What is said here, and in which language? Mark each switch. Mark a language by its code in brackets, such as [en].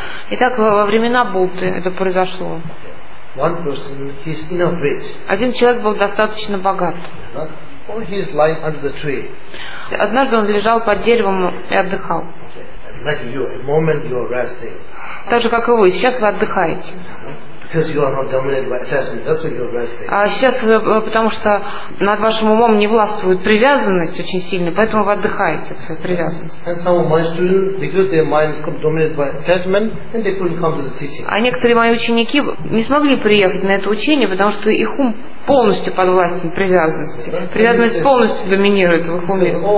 [ru] Итак, во времена Будды это произошло. Один человек был достаточно богат. [en] Or he is lying under the tree. [ru] Однажды он лежал под деревом и отдыхал. [en] Like you, a moment you are resting. [ru] Так же, как и вы, сейчас вы отдыхаете. [en] Because you are not dominated by attachment, that's why you are resting. [ru] А сейчас, потому что над вашим умом не властвует привязанность очень сильно, поэтому вы отдыхаете от своей привязанности. [en] And some of my students, because their minds are dominated by attachment, and they couldn't come to the teaching. [ru] А некоторые мои ученики не смогли приехать на это учение, потому что их ум полностью подвластен привязанности. Привязанность полностью доминирует в их уме.